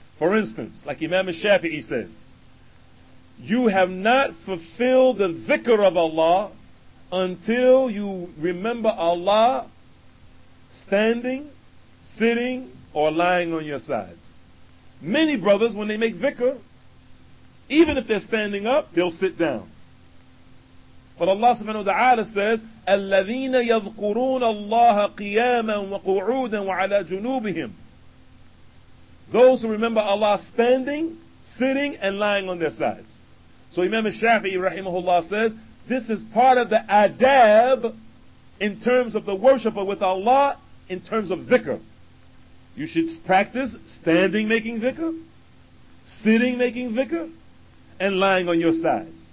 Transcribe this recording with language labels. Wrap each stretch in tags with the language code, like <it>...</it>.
<en>For instance, like Imam Shafi'i says, you have not fulfilled the dhikr of Allah until you remember Allah standing, sitting, or lying on your sides. Many brothers, when they make dhikr, even if they're standing up, they'll sit down. But Allah subhanahu wa ta'ala says,</en> <ar>الَّذِينَ يَذْكُرُونَ اللَّهَ قِيَامًا وَقُعُودًا وَعَلَى جُنُوبِهِمْ.</ar> <en>Those who remember Allah standing, sitting, and lying on their sides. So Imam Shafi'i rahimahullah says, this is part of the adab in terms of the worshipper with Allah in terms of dhikr. You should practice standing making dhikr, sitting making dhikr, and lying on your sides.</en>